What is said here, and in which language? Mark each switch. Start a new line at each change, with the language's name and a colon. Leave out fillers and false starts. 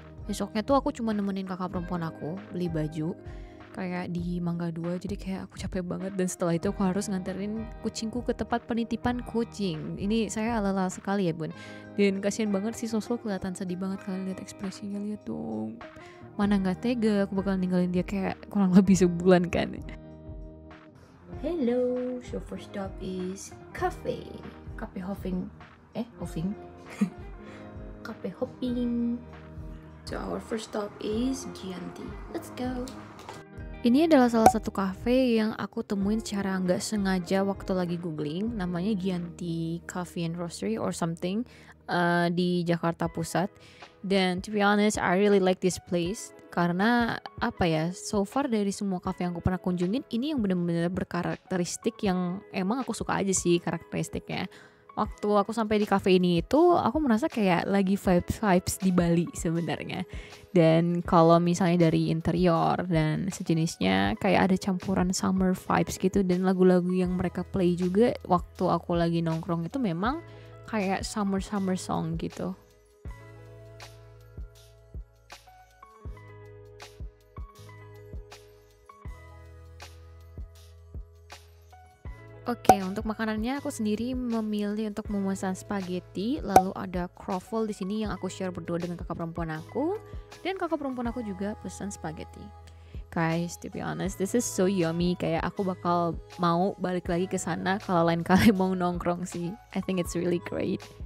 Indonesian: Besoknya tuh aku cuma nemenin kakak perempuan aku beli baju kayak di Mangga 2, jadi kayak aku capek banget. Dan setelah itu aku harus nganterin kucingku ke tempat penitipan kucing. Ini saya lelah sekali ya bun. Dan kasihan banget si sosok, kelihatan sedih banget. Kalian lihat ekspresinya, lihat dong. Mana gak tega aku bakal ninggalin dia kayak kurang lebih sebulan kan.
English: Hello, so first stop is Cafe Hopping. Cafe Hopping. So our first stop is Gianti. Let's go.
Indonesian: Ini adalah salah satu kafe yang aku temuin secara nggak sengaja waktu lagi googling. Namanya Gianti Coffee and Roastery
English: or something
Indonesian: di Jakarta Pusat.
English: Dan to be honest, I really like this place.
Indonesian: Karena apa ya,
English: so far
Indonesian: dari semua kafe yang aku pernah kunjungin, ini yang benar-benar berkarakteristik yang emang aku suka aja sih karakteristiknya. Waktu aku sampai di kafe ini itu, aku merasa kayak lagi vibes-vibes di Bali sebenarnya. Dan kalau misalnya dari interior dan sejenisnya, kayak ada campuran summer vibes gitu. Dan lagu-lagu yang mereka play juga waktu aku lagi nongkrong itu memang kayak summer-summer song gitu. Okay, untuk makanannya aku sendiri memilih untuk memesan spaghetti, lalu ada croffle di sini yang aku share berdua dengan kakak perempuan aku, dan kakak perempuan aku juga pesan spaghetti.
English: Guys, to be honest, this is so yummy.
Indonesian: Kayak aku bakal mau balik lagi ke sana kalau lain kali mau nongkrong sih.
English: I think it's really great.